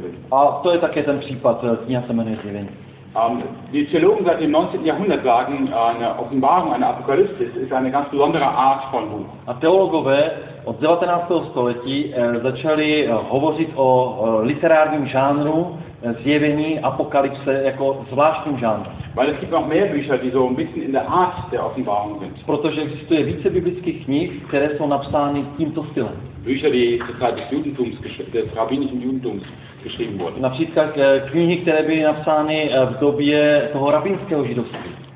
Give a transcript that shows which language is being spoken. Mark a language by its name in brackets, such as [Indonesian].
[Czech] A to je také ten případ, kniha se jmenuje Zjevení. [German] Die Theologen seit dem 19. Jahrhundert sagen, eine Offenbarung, eine Apokalyptik ist eine ganz besondere Art von Buch. [Czech] A teologové od 19. století začali hovořit o literárním žánru zjevení apokalypse jako zvláštním žánru. [German] Weil es gibt noch mehr Bücher, die so ein bisschen in der Art der Offenbarung sind. [Czech] Protože existuje více biblických knih, které jsou napsány tímto stylem. [German] Bücher, die zur Zeit des Judentums, des rabbinischen Judentums geschrieben wurden. [Czech] Například knihy, které byly napsány v době toho rabínského židovství.